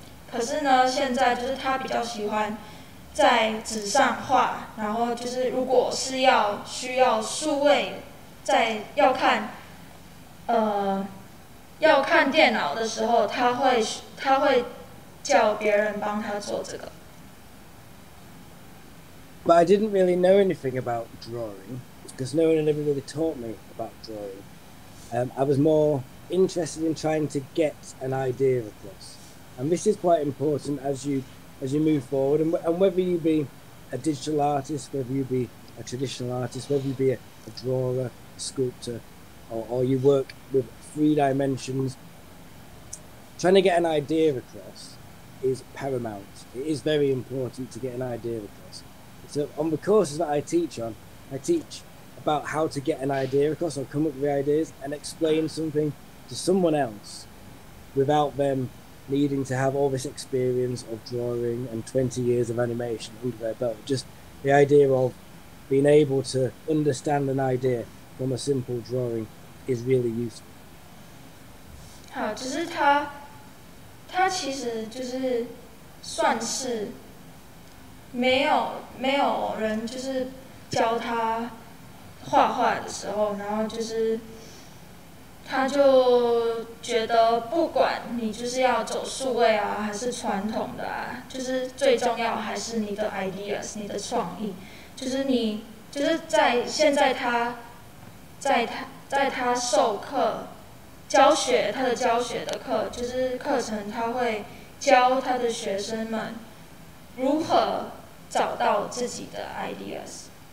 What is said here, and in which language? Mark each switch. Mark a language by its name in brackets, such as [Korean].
[Chinese] 可是呢，现在就是他比较喜欢在纸上画，然后就是如果是要需要数位，在要看要看电脑的时候，他会叫别人帮他做这个。 [English] But I didn't really know anything about drawing because no one had ever really taught me about drawing. I was more interested in trying to get an idea across. And this is quite important as you move forward. And whether you be a digital artist, whether you be a traditional artist, whether you be a drawer, a sculptor, or you work with three dimensions, trying to get an idea across is paramount. It is very important to get an idea across. So on the courses that I teach on, I teach about how to get an idea across or come up with ideas and explain something to someone else without them needing to have all this experience of drawing and 20 years of animation under their belt. Just the idea of being able to understand an idea from a simple drawing is really useful. [Chinese] 好，就是他其实就是算是没有人就是教他画画的时候，然后就是他就觉得不管你就是要走数位啊还是传统的啊，就是最重要还是你的 ideas， 你的创意，就是你就是在现在他授课教学，他的教学的课就是课程，他会教他的学生们如何找到自己的 ideas.